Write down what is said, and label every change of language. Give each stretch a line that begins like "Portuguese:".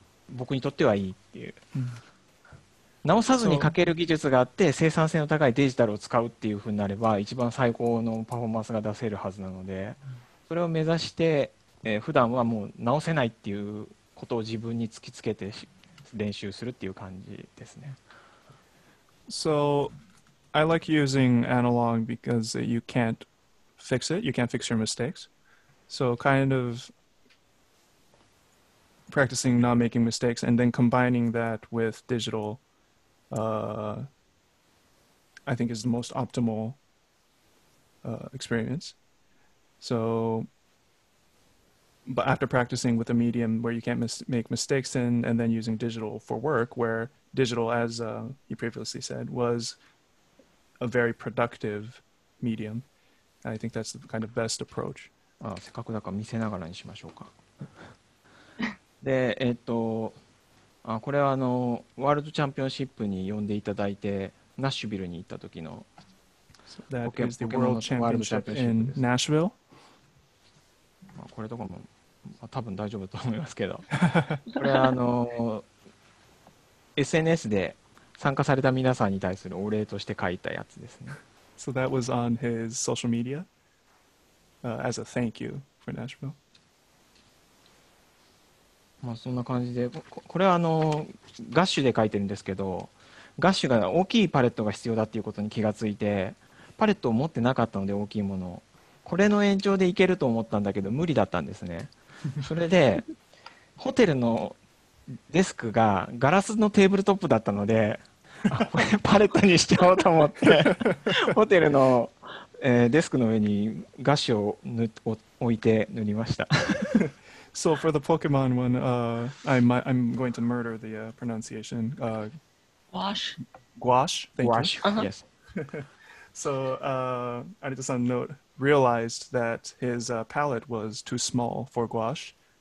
Japanese: 僕にとってはいいっていう、直さずに書ける技術があって生産性の高いデジタルを使うっていうふうになれば一番最高のパフォーマンスが出せるはずなので、それを目指して、普段はもう直せないっていうことを自分に突きつけて練習するっていう感じですね。
English: So I like using analog because you can't fix it, you can't fix your mistakes. So kind of practicing not making mistakes and then combining that with digital, I think is the most optimal, experience. So, but after practicing with a medium where you can't make mistakes in and then using digital for work, where digital, as, you previously said, was a very productive medium, I think that's the kind of best approach.
Japanese: ああ、せっかくだから見せながらにしましょうか。で、これはワールドチャンピオンシップに呼んでいただいてナッシュビルに行った時の、ポケモンのワールドチャンピオンシップです。
English: In Nashville?
Japanese: まあ、これとかも、まあ、多分大丈夫と思いますけど、これはSNS で参加された皆さんに対するお礼として書いたやつですね。
English: So that was on his social mediaas a thank you for Nashville.
Japanese: まあそんな感じで、これはガッシュで書いてるんですけど、ガッシュが大きいパレットが必要だっていうことに気がついて、パレットを持ってなかったので大きいもの、これの延長でいけると思ったんだけど無理だったんですね。それでホテルのデスクがガラスのテーブルトップだったので、あ、これパレットにしちゃおうと思ってホテルのデスクの上にガッシュを置いて塗りました。
English: So for the Pokemon one, I'm going to murder the pronunciation. Gouache. Gouache. Thank you. Gouache. Uh-huh. Yes. So Arita-san realized that his palette was too small for gouache.